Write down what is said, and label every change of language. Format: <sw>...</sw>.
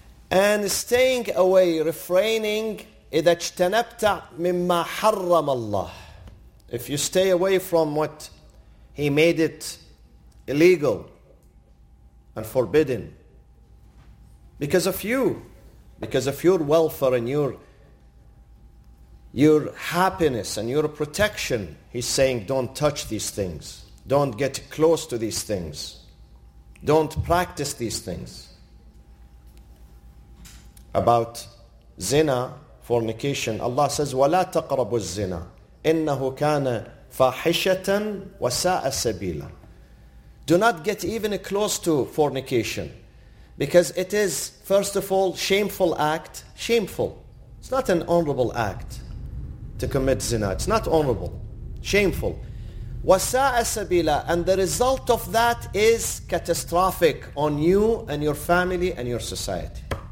<en>And staying away, refraining,</en> <ar>إِذَا اجْتَنَبْتَ مِمَّا حَرَّمَ اللَّهِ,</ar> <en>if you stay away from what He made it illegal and forbidden because of you, because of your welfare and your happiness and your protection, he's saying, don't touch these things. Don't get close to these things. Don't practice these things. About zina, fornication, Allah says,</en> <ar>وَلَا تَقْرَبُوا الزِّنَا إِنَّهُ كَانَ فَاحِشَةً وَسَاءَ سَبِيلًا.</ar> <en>Do not get even close to fornication, because it is, first of all, shameful act. Shameful. It's not an honorable act to commit zina. It's not honorable. Shameful.</en> <ar>وَسَاءَ سَبِيلًا.</ar> <en>And the result of that is catastrophic on you and your family and your society.</en>